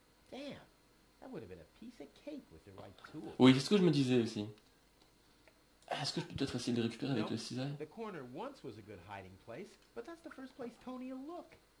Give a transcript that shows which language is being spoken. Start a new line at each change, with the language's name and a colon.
English: Damn, that would have been a piece of cake with the right tool.
French: Oui, c'est ce que je me disais aussi. Est-ce que je peux peut-être essayer de récupérer avec le cisaille?
English: The corner once was a good hiding place, but that's the first place Tony will look.